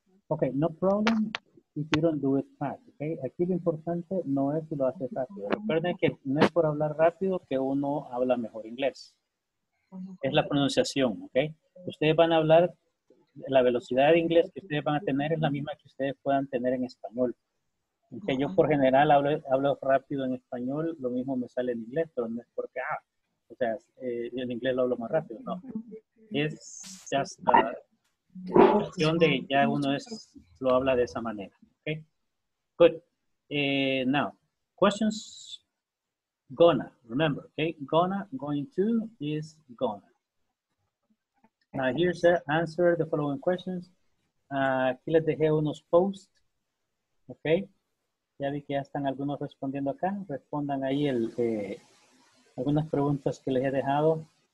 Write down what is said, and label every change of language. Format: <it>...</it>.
<en>Okay, no problem if you don't do it fast, okay?</en> <es>Aquí lo importante no es si lo haces fácil. Recuerden que no es por hablar rápido que uno habla mejor inglés. Es la pronunciación, okay? Ustedes van a hablar, la velocidad de inglés que ustedes van a tener es la misma que ustedes puedan tener en español. Okay, yo por general hablo rápido en español, lo mismo me sale en inglés, pero no es porque, en inglés lo hablo más rápido, no. Es just a cuestión de ya uno es lo habla de esa manera. Okay. Good. Now, questions</es> <en>gonna, remember, okay? Gonna, going to is gonna. Now here's the answer to the following questions.</en> <es>Aquí les dejé unos posts, okay? Ya vi que ya están algunos respondiendo acá. Respondan ahí el, algunas preguntas que les he dejado.</es>